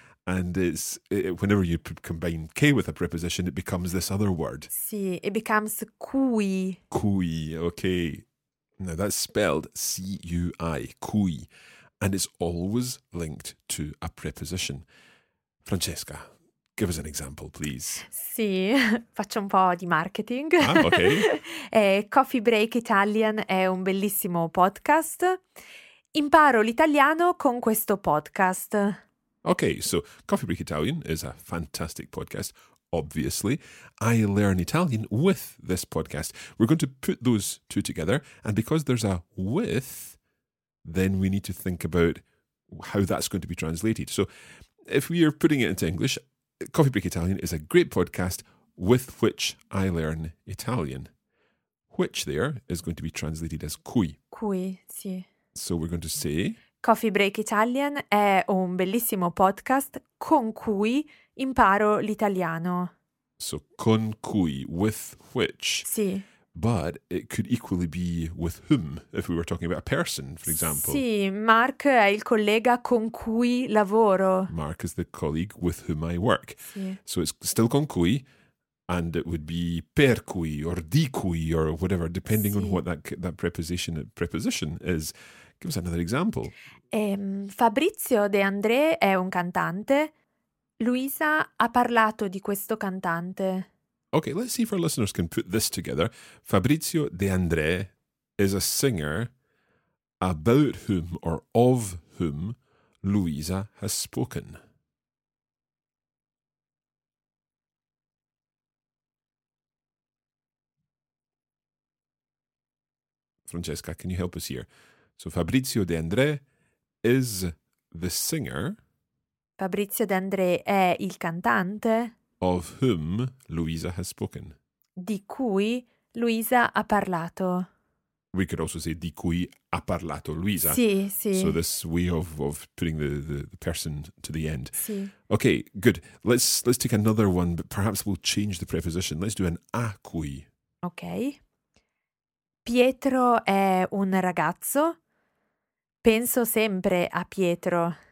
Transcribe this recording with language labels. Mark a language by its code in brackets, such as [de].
[en] And whenever you combine che with a preposition, it becomes this other word, Sì, it becomes cui. cui. Okay. Now that's spelled CUI, cui, and it's always linked to a preposition. Francesca, give us an example, please. [it] Sì, faccio un po' di marketing. Ah, ok. Coffee Break Italian è un bellissimo podcast. Imparo l'italiano con questo podcast. [en] Okay, so Coffee Break Italian is a fantastic podcast, obviously. I learn Italian with this podcast. We're going to put those two together, and because there's a with, then we need to think about how that's going to be translated. So if we are putting it into English, Coffee Break Italian is a great podcast with which I learn Italian. Which there is going to be translated as cui. [it] Qui, sì. [en] So we're going to say. [it] Coffee Break Italian è un bellissimo podcast con cui imparo l'italiano. [en] So con cui, with which, [it] Sì. [en] but it could equally be with whom, if we were talking about a person, for example. [it] Sì, Mark è il collega con cui lavoro. [en] Mark is the colleague with whom I work. [it] Sì. [en] So it's still con cui, and it would be per cui or di cui or whatever, depending on [it] Sì. [en] what that preposition is. Give us another example. [it] Fabrizio De André è un cantante. Luisa ha parlato di questo cantante. [en] Okay, let's see if our listeners can put this together. Fabrizio De André is a singer about whom or of whom Luisa has spoken. Francesca, can you help us here? So Fabrizio De André is the singer. [it] Fabrizio De André è il cantante. [en] Of whom Luisa has spoken. [it] Di cui Luisa ha parlato. [en] We could also say [it] di cui ha parlato Luisa. Sì, sì. [en] So this way of putting the person to the end. [it] Sì. [en] Okay, good. Let's take another one, but perhaps we'll change the preposition. Let's do an a cui. [it] Okay. Pietro è un ragazzo. Penso sempre a Pietro.